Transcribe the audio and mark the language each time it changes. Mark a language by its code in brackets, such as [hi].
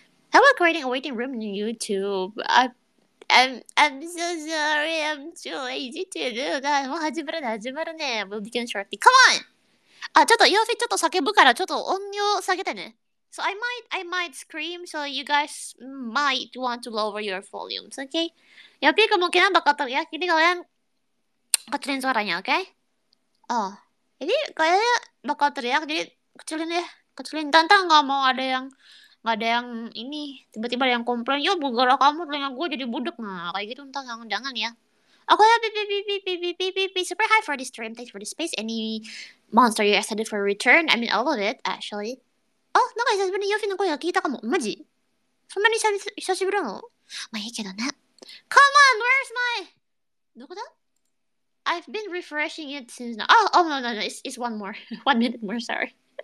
[en] How about creating a waiting room in YouTube? I'm so sorry, I'm too lazy to do that. もう始まるね。 We'll begin shortly. Come on! [ja] あ、ちょっと、ヨーフィちょっと叫ぶから、ちょっと音量下げてね。 [en] So I might scream, so you guys might want to lower your volumes, okay? [id] Ya, tapi kemungkinan bakal teriak, jadi kalian kecilin suaranya, okay? Oh, jadi kayaknya bakal teriak, jadi kecilin ya, kecilin. Tantang nggak mau ada yang, nggak ada yang ini, tiba-tiba ada yang komplain, yo, gara-gara kamu telinga gue jadi budek, nah, kayak gitu, entah, jangan ya. [en] Aku ya, super high for this stream, thanks for the space, any monster you excited for return, I mean all of it, actually. [ja] あ、なんか久しぶりにヨフィの声が聞いたかも。マジ？そんなに久しぶりなの？まあいいけどね。 Come on! Where's my... どこだ？ [en] I've been refreshing it since now. Oh, no, it's one more. One minute more, sorry.